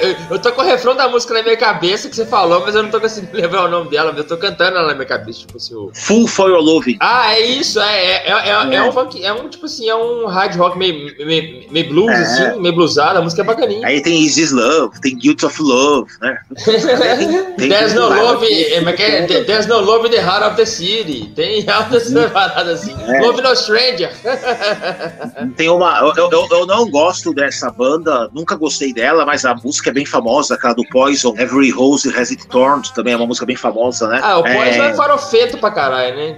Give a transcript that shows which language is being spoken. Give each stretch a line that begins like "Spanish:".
Portuguese: Eu tô com o refrão da música na minha cabeça que você falou, mas eu não tô conseguindo lembrar o nome dela, mas eu tô cantando ela na minha cabeça, tipo assim.
English: Full Fire Love.
Portuguese: Ah, é isso, é um funk, é um tipo assim, é um hard rock meio blues, assim, meio bluesado, a música é bacaninha. Aí tem Is This Love, tem Guilt of Love, né?
English: There's no love, there's no love in the heart of the city.
Portuguese: Tem altas paradas assim.
English: Love no stranger.
Portuguese: Tem uma, eu não gosto dessa banda, nunca gostei dela, mas a música é bem famosa, aquela do Poison, Every Rose Has Its Thorn, também é uma música bem famosa, né? Ah, o Poison é farofeto pra caralho, né?